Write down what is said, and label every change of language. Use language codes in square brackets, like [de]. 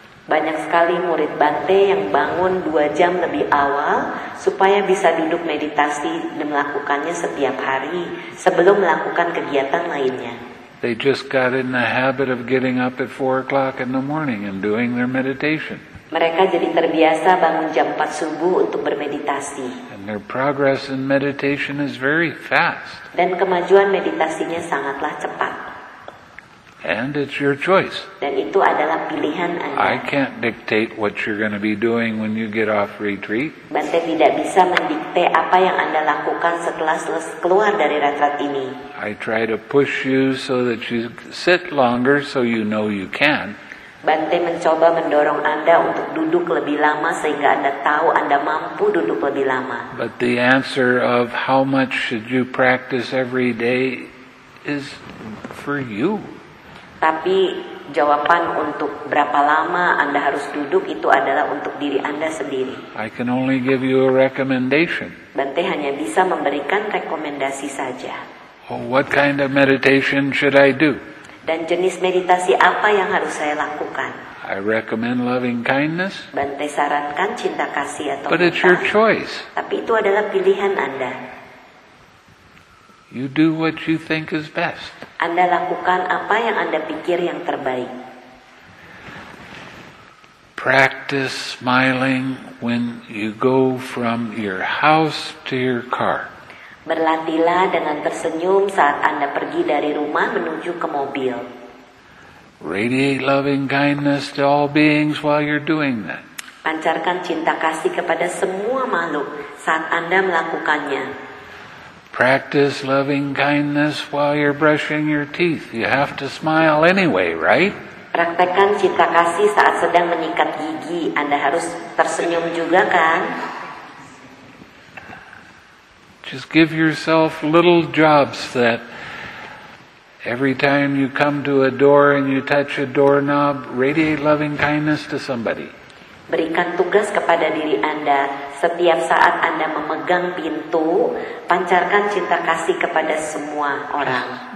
[id] Banyak sekali murid Bante yang bangun 2 jam lebih awal supaya bisa duduk meditasi dan melakukannya setiap hari sebelum melakukan kegiatan lainnya. [en] They just got in the habit of getting up at 4 o'clock in the morning and doing their meditation. [id] Mereka jadi terbiasa bangun jam 4 subuh untuk bermeditasi. [en] And their progress in meditation is very fast. [id] Dan kemajuan meditasinya sangatlah cepat. [en] And it's your choice. [id] Dan itu adalah pilihan Anda. [en] I can't dictate what you're going to be doing when you get off retreat. [id] Bante tidak bisa mendikte apa yang Anda lakukan setelah keluar dari retreat ini. [en] I try to push you so that you sit longer so you know you can. [id] Bante mencoba mendorong Anda untuk duduk lebih lama sehingga Anda tahu Anda mampu duduk lebih lama. [en] But the answer of how much should you practice every day is for you. [id] Tapi jawaban untuk berapa lama Anda harus duduk itu adalah untuk diri Anda sendiri. [en] I can only give you a recommendation. [id] Bante hanya bisa memberikan rekomendasi saja. [en] Oh, what kind of meditation should I do? [id] Dan jenis meditasi apa yang harus saya lakukan? [en] I recommend loving kindness. [id] Bante sarankan cinta kasih atau [en] But it's your choice. [id] Tapi itu adalah pilihan Anda. [en] You do what you think is best. [id] Anda lakukan apa yang Anda pikir yang terbaik. [en] Practice smiling when you go from your house to your car. [id] Berlatihlah dengan tersenyum saat Anda pergi dari rumah menuju ke mobil. [en] Radiate loving kindness to all beings while you're doing that. [id] Pancarkan cinta kasih kepada semua makhluk saat Anda melakukannya. [en] Practice loving kindness while you're brushing your teeth. You have to smile anyway, right? [id] Praktekkan cinta kasih saat sedang menyikat gigi. Anda harus tersenyum juga, kan? [en] Just give yourself little jobs that every time you come to a door and you touch a doorknob, radiate loving kindness to somebody. [id] Berikan tugas kepada diri Anda. Setiap saat Anda memegang pintu, pancarkan cinta kasih kepada semua orang.